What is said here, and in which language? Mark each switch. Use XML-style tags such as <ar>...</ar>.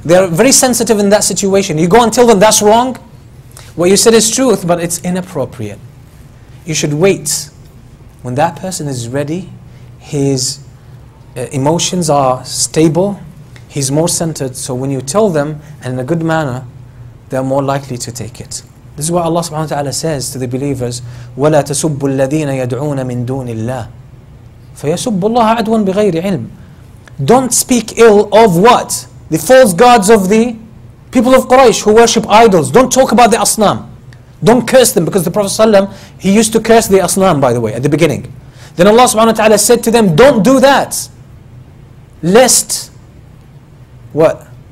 <en>They're very sensitive in that situation. You go and tell them that's wrong. What you said is truth, but it's inappropriate. You should wait. When that person is ready, his emotions are stable, he's more centered, so when you tell them, and in a good manner, they're more likely to take it. This is what Allah subhanahu wa ta'ala says to the believers,</en> <ar>وَلَا تَسُبُّ الَّذِينَ يَدْعُونَ مِن دُونِ اللَّهِ فَيَسُبُّ اللَّهَ عَدْوًا بِغَيْرِ عِلْمٍ.</ar> <en>Don't speak ill of what? The false gods of the people of Quraysh who worship idols. Don't talk about the asnam. Don't curse them, because the Prophet ﷺ, he used to curse the asnam, by the way, at the beginning. Then Allah subhanahu wa ta'ala said to them, don't do that. Lest, what?</en>